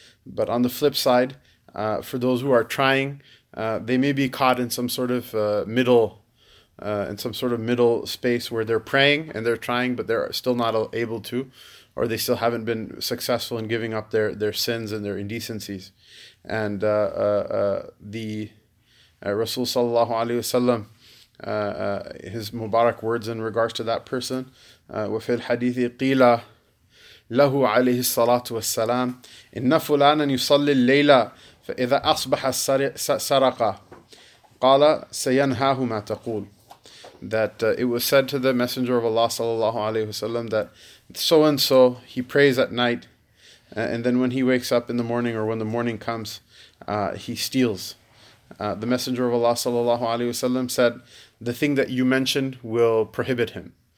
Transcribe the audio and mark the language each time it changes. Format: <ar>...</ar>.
<en>But on the flip side, for those who are trying, they may be caught in some sort of middle space where they're praying and they're trying, but they're still not able to, or they still haven't been successful in giving up their sins and their indecencies. And Rasul sallallahu alaihi wasallam, his mubarak words in regards to that person,</en> <ar>وفي الحديث قيل له عليه الصلاة والسلام إن فلانا يصلي الليلة فإذا أصبح سرقا قال سينهاه ما تقول.</ar> <en>That it was said to the Messenger of Allah sallallahu alaihi wasallam that so and so, he prays at night, and then when he wakes up in the morning or when the morning comes, he steals. The Messenger of Allah sallallahu alaihi wasallam said, the thing that you mentioned will prohibit him.</en>